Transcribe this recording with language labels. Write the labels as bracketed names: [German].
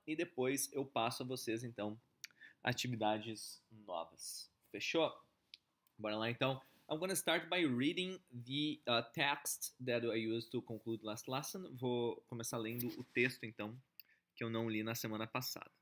[Portuguese] E depois eu passo a vocês, então, atividades novas. Fechou? Bora lá, então. [English] I'm going to start by reading the text that I used to conclude last lesson. [Portuguese] Vou começar lendo o texto, então, que eu não li na semana passada.